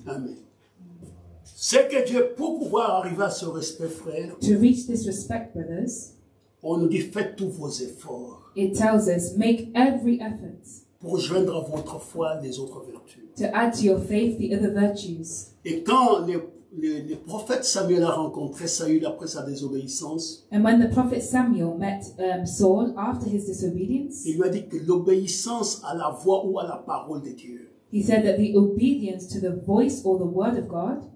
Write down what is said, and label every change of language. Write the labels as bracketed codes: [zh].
[fr] Amen. Ce que Dieu, pour pouvoir arriver à ce respect, frère, [en] to reach this respect, brothers, [fr] on nous dit, faites tous vos efforts. [en] It tells us, make every effort [fr] pour joindre à votre foi les autres vertus. [en] To add to your faith the other virtues. [fr] Et quand le prophète Samuel a rencontré Saül après sa désobéissance, [en] and when the prophet Samuel met Saul after his disobedience, [fr] il lui a dit que l'obéissance à la voix ou à la parole de Dieu, [en] he said that the obedience to the voice or the word of God